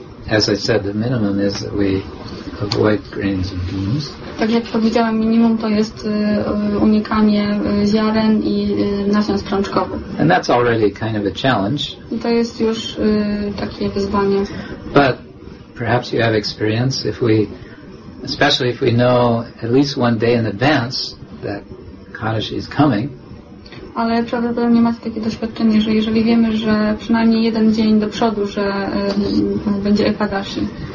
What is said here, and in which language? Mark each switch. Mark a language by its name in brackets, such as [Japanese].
[English] As I said, the minimum is that we avoid grains and beans. [Polish] Tak jak powiedziałem, minimum to jest unikanie ziaren i nasion strączkowych. [English] And that's already kind of a challenge. [Polish] I to jest już takie wyzwanie. [English] But perhaps you have experience if we, especially if we know at least one day in advance that Kaddish is coming. [Polish] Ale prawdopodobnie macie takie doświadczenie, że jeżeli wiemy, że przynajmniej jeden dzień do przodu, że będzie Ekadashi.